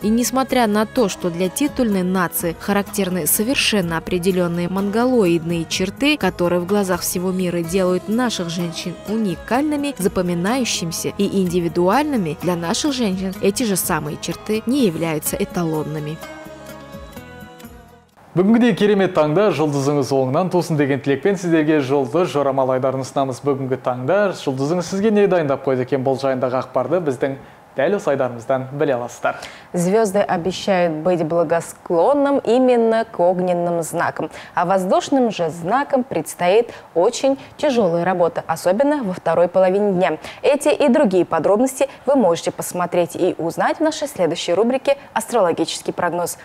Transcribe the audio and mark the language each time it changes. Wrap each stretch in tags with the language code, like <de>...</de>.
<ru>И несмотря на то, что для титульной нации характерны совершенно определенные монголоидные черты, которые в глазах всего мира делают наших женщин уникальными, запоминающимися и индивидуальными, для наших женщин эти же самые черты не являются эталонными.</ru> <kk>Бүгінгідей керемет таңда жұлдызыңыз оңынан тосын деген тілекпен сіздерге жұлдыз жорамалайдарын ұсынамыз. Бүгінгі таңда жұлдызыңыз сізге не дайындап қойды екен бұл жайындағы ақпарды біздің дәл осы айдарымыздан біле аласыздар.</kk> <ru>Звезды обещают быть благосклонным именно к огненным знакам, а воздушным же знакам предстоит очень тяжелая работа, особенно во второй половине дня. Эти и другие подробности вы можете посмотреть и узнать в нашей следующей рубрике «Астрологический прогноз».</ru>